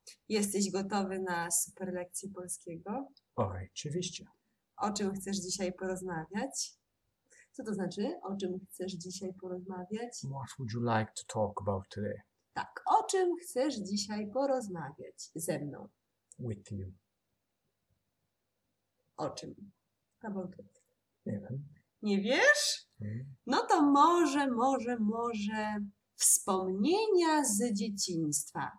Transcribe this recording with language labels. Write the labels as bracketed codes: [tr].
[pl] Jesteś gotowy na super lekcję polskiego? Oczywiście. O czym chcesz dzisiaj porozmawiać? Co to znaczy, o czym chcesz dzisiaj porozmawiać? [en] What would you like to talk about today? [pl] Tak, o czym chcesz dzisiaj porozmawiać ze mną? [en] With you. [pl] O czym? [en] About it. [pl] Nie wiem. Nie wiesz? No to może wspomnienia z dzieciństwa.